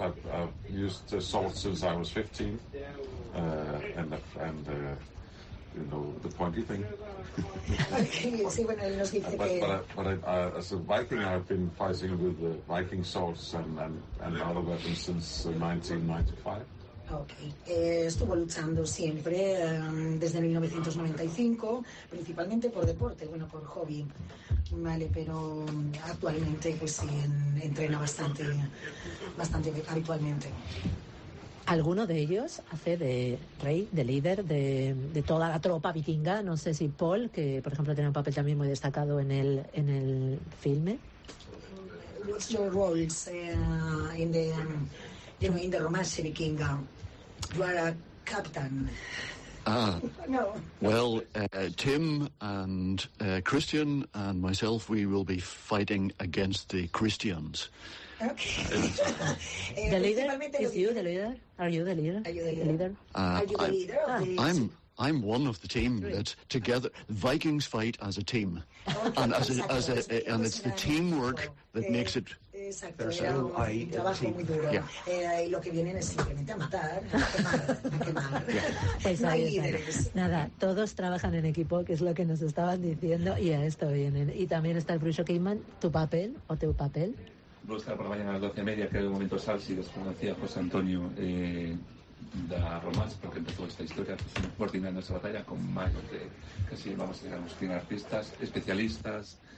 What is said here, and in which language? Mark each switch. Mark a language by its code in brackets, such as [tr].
[en] I've used swords since I was 15, you know, the pointy thing. but as a Viking, I've been fighting with the Viking swords and other weapons since 1995. Okay. [es] Estuvo luchando siempre desde 1995, principalmente por deporte, bueno, por hobby. Vale, pero actualmente pues sí entrena bastante habitualmente. ¿Alguno de ellos hace de rey, de líder de toda la tropa vikinga? No sé si Paul, que por ejemplo tiene un papel también muy destacado en el filme. [en] What's your roles in the romance vikinga? You are a captain. Ah, no. Well, Tim and Christian and myself, we will be fighting against the Christians. Okay. the leader? Is you the leader? Are you the leader? Are you the leader? I'm one of the team that together Vikings fight as a team, okay, and and it's the teamwork that makes it. [es] Nada, todos trabajan en equipo, que es lo que nos estaban diciendo, y a esto vienen. Y también está el Bruce Keyman, tu papel. Voy a estar por la mañana a las 12:30, que hay un momento salsido, como decía José Antonio, de Romance, porque empezó esta historia coordinando esa batalla con más de casi, vamos a llegar a los 100 artistas especialistas.